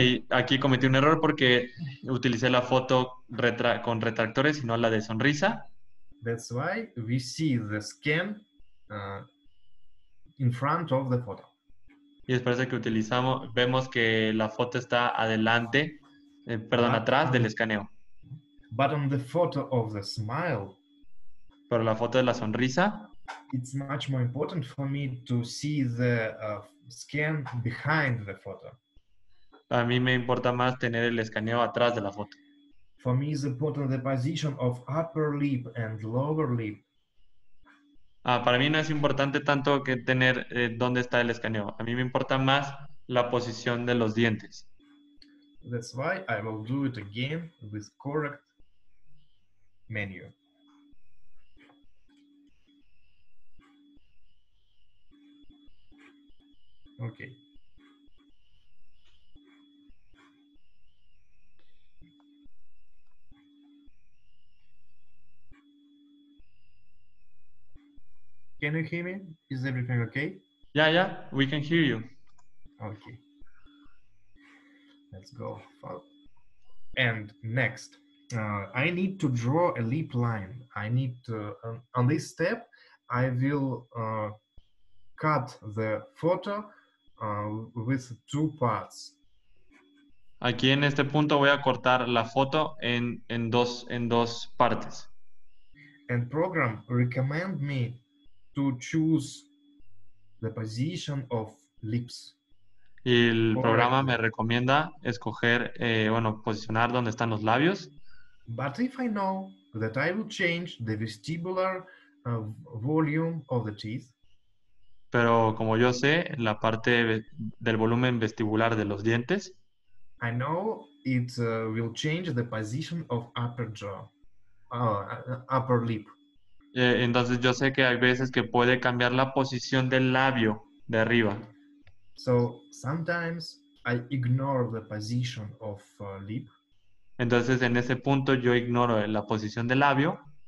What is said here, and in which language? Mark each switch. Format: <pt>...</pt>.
<es>Aquí cometí un error porque utilicé la foto con retractores y no la de sonrisa.</es> <en>That's why we see the scan in front of the photo.</en> <es>Y es por eso que vemos que la foto está adelante, perdón, atrás del escaneo.</es> <en>But on the photo of the smile.</en> <es>Pero la foto de la sonrisa.</es> <en>It's much more important for me to see the scan behind the photo.</en> <es>A mí me importa más tener el escaneo atrás de la foto.</es> <en>For me is important the position of upper lip and lower lip.</en> <es>Para mí no es importante tanto que tener dónde está el escaneo. A mí me importa más la posición de los dientes.</es> <en>That's why I will do it again with correct menu. Okay. Can you hear me? Is everything okay? Yeah, we can hear you. Okay. Let's go. And next, I need to draw a lip line. I need to, on this step, I will cut the photo with two parts.</en> <es>Aquí en este punto voy a cortar la foto en dos partes.</es> <en>And program recommend me to choose the position of lips.</en> <es>Y el programa me recomienda escoger, posicionar donde están los labios.</es> <en>But if I know that I will change the vestibular volume of the teeth.</en> <es>Pero como yo sé, la parte del volumen vestibular de los dientes.</es> <en>I know it will change the position of upper jaw, upper lip.</en> <es>Entonces yo sé que hay veces que puede cambiar la posición del labio de arriba.</es> <en>So sometimes I ignore the position of lip.</en> <es>Entonces en ese punto yo ignoro la posición del labio.</es>